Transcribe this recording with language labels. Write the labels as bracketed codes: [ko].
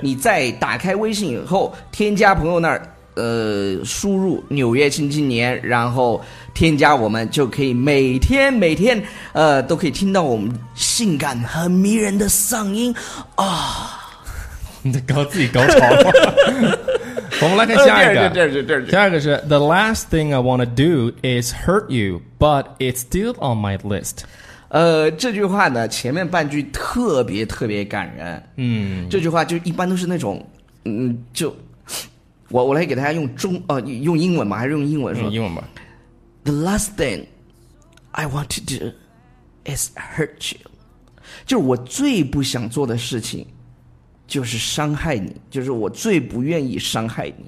[zh] 你在打开微信以后，添加朋友那儿。输入纽约新青年，然后添加我们，就可以每天每天都可以听到我们性感和迷人的嗓音啊。你在搞自己高潮吗？我们来看下一个。下一个是 [en] The last thing I want to do is hurt you, but it's still on my list。 [zh] 这句话呢前面半句特别特别感人。嗯，这句话就一般都是那种就我来给大家用中用英文吗？还是用英文说？用英文吧。 [en] The last thing I want to do is hurt you， [zh] 就是我最不想做的事情就是伤害你，就是我最不愿意伤害你。